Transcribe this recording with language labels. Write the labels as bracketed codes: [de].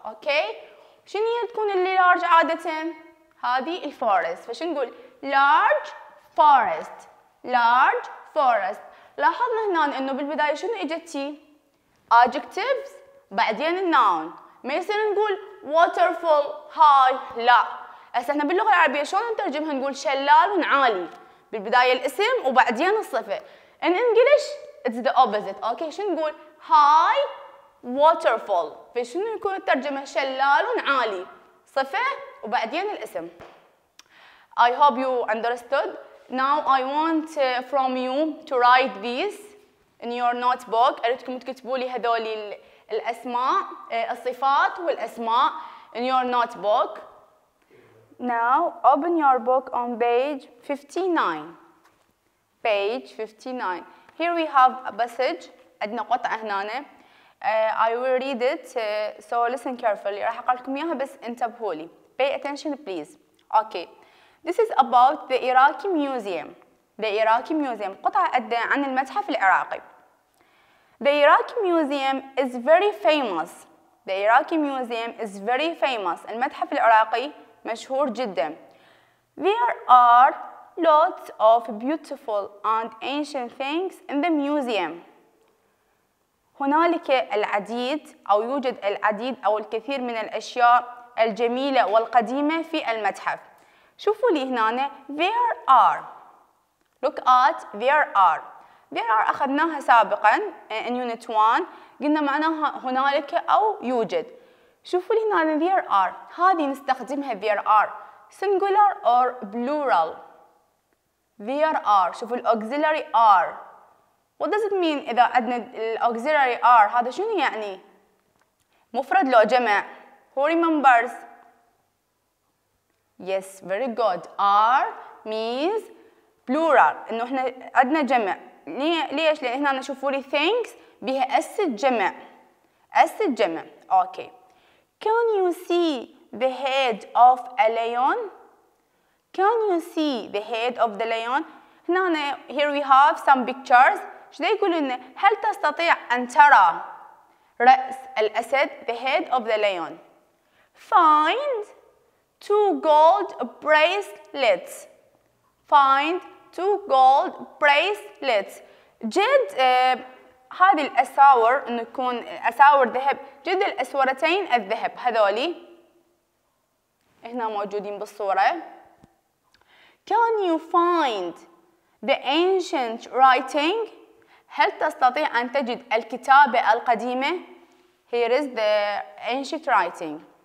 [ar] Okay، شنو هي تكون اللي large عادة؟ هذه الفورست، فشن نقول [en] large forest، large forest. [ar] لاحظنا هنا انه بالبدايه شنو اجتي adjectives بعدين الناون، ما يصير نقول [en] waterfall high، [ar] لا هسه احنا باللغه العربيه شلون نترجمها؟ نقول شلال عالي، بالبدايه الاسم وبعدين الصفه. [en] In English it's the opposite. [ar] اوكي شنو نقول [en] high waterfall، [ar] فشنو يكون الترجمه؟ شلال عالي صفه وبعدين الاسم. [en] I hope you understood. Now I want from you to write these in your notebook. [ar] أريدكم تكتبوا لي هذول الأسماء، الصفات والأسماء [en] in your notebook. Now open your book on page 59. Page 59. Here we have a passage. [ar] عندنا قطعة هنا. [en] I will read it. So listen carefully. [ar] راح أقرأ لكم إياها بس انتبهوا لي. [en] Pay attention, please. Okay. This is about the Iraqi Museum. The Iraqi Museum. [ar] قطعة أدى عن المتحف العراقي. [en] The Iraqi Museum is very famous. The Iraqi Museum is very famous. [ar] المتحف العراقي مشهور جدا. [en] There are lots of beautiful and ancient things in the museum. [ar] هنالك العديد أو يوجد العديد أو الكثير من الأشياء الجميلة والقديمة في المتحف. شوفوا لي هنا [en] there are. Look at there are. [ar] There are أخذناها سابقا [en] in unit 1، [ar] قلنا معناها هنالك أو يوجد. شوفوا لي هنا there are، هذه نستخدمها [en] there are singular or plural. There are، شوفوا auxiliary are. What does it mean إذا عندنا auxiliary are؟ [ar] هذا شنو يعني؟ مفرد لو جمع؟ [en] Who remembers? Yes, very good. Are means plural. [ar] إنه إحنا عدنا جمع. ليش؟ لأن هنا نشوفوا لي things بها أس الجمع. أس الجمع. Okay. [en] Can you see the head of a lion? Can you see the head of the lion? [ar] هنا أنا, [en] here we have some pictures. [ar] شو ده يقول إنه هل تستطيع أن ترى رأس الأسد? [en] The head of the lion. Find two gold bracelets. Find two gold bracelets. [ar] جد هذه الأساور، إنه يكون أساور ذهب. جد الأسورتين الذهب هذولي هنا موجودين بالصورة. Can you find the ancient writing? هل تستطيع أن تجد الكتابة القديمة؟ [en] Here is the ancient writing.